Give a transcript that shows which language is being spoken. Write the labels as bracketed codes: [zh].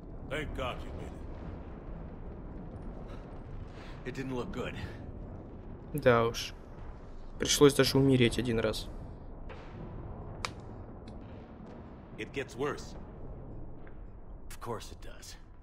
[en] Thank God you made it. It didn't look good. [ru] Да уж. Пришлось даже умереть один раз. [en] It gets worse. Of course it does.